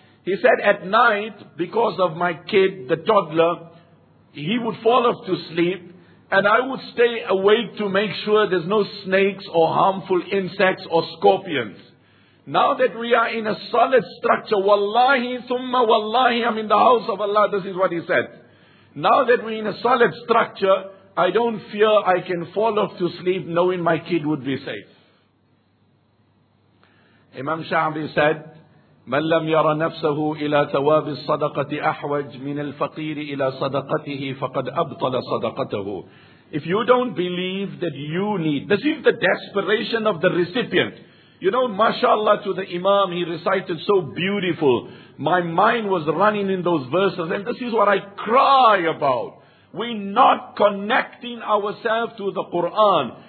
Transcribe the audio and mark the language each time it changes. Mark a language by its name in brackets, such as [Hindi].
[English] He said, at night, because of my kid, the toddler, he would fall off to sleep, and I would stay awake to make sure there's no snakes or harmful insects or scorpions. Now that we are in a solid structure, [Arabic] wallahi thumma wallahi, [English] I'm in the house of Allah, this is what he said. Now that we're in a solid structure, I don't fear I can fall off to sleep knowing my kid would be safe. Imam Shafi said, [Arabic] مَنْ لَمْ يَرَ نَفْسَهُ إِلَىٰ تَوَابِ الصَّدَقَةِ أَحْوَجْ مِنَ الْفَقِيرِ إِلَىٰ صَدَقَتِهِ فَقَدْ أَبْطَلَ صَدَقَتَهُ. [English] If you don't believe that you need, this is the desperation of the recipient. You know, mashallah to the imam, he recited so beautiful. My mind was running in those verses, and this is what I cry about. We're not connecting ourselves to the Quran.